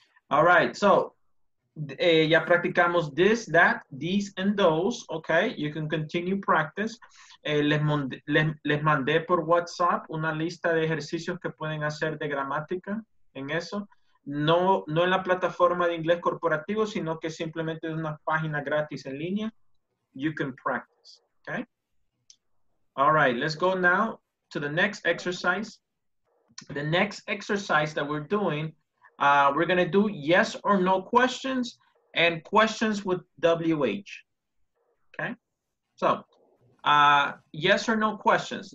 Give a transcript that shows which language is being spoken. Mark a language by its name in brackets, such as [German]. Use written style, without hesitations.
[English] All right, so [Spanish] ya practicamos [English] this, that, these, and those. Okay, you can continue practice. [Spanish] Les mandé por WhatsApp una lista de ejercicios que pueden hacer de gramática en eso. No en la plataforma de inglés corporativo, sino que simplemente es una página gratis en línea. [English] You can practice. Okay. All right, let's go now to the next exercise. The next exercise that we're doing, we're going to do yes or no questions and questions with WH. Okay? So, yes or no questions.